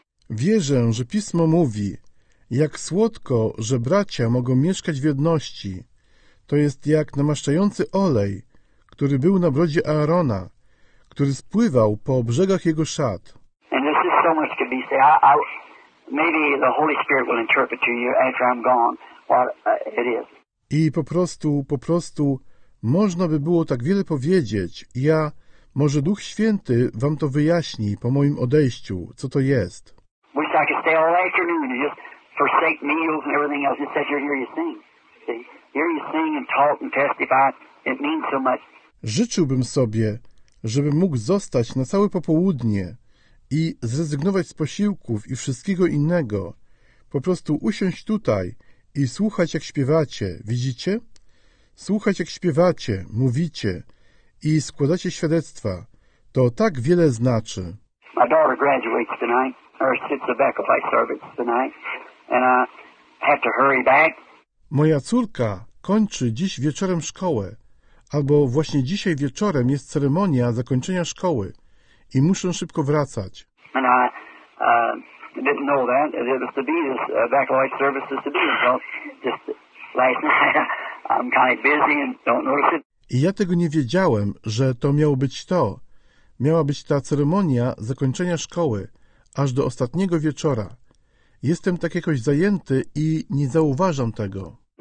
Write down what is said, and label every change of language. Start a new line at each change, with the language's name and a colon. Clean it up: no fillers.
Polish: Wierzę, że Pismo mówi, jak słodko, że bracia mogą mieszkać w jedności. To jest jak namaszczający olej, który był na brodzie Aarona, który spływał po brzegach jego szat.
English: So much could be said. Maybe the Holy Spirit will interpret to you after I'm gone what it is.
Polish: I po prostu można by było tak wiele powiedzieć. Ja, może Duch Święty wam to wyjaśni po moim odejściu, co to jest.
English: Wish I could stay all afternoon and just forsake meals and everything else. Just as you're here, you sing. See? Here you sing and talk and testify. It means so much.
Polish: Życzyłbym sobie, żebym mógł zostać na całe popołudnie i zrezygnować z posiłków i wszystkiego innego. Po prostu usiąść tutaj i słuchać, jak śpiewacie. Widzicie? Słuchać, jak śpiewacie, mówicie i składacie świadectwa. To tak wiele znaczy.
English: My daughter graduates tonight, or sits the back of my service tonight, and I have to hurry back.
Polish: Moja córka kończy dziś wieczorem szkołę, albo właśnie dzisiaj wieczorem jest ceremonia zakończenia szkoły. I muszę szybko wracać.
English: And I didn't know that. It was to be this baccalaureate service was to be. So just last night, I'm kind of busy and don't notice it.
Polish: I ja tego nie wiedziałem, że to miało być to. Miała być ta ceremonia zakończenia szkoły, aż do ostatniego wieczora. Jestem tak jakoś zajęty i nie zauważam tego.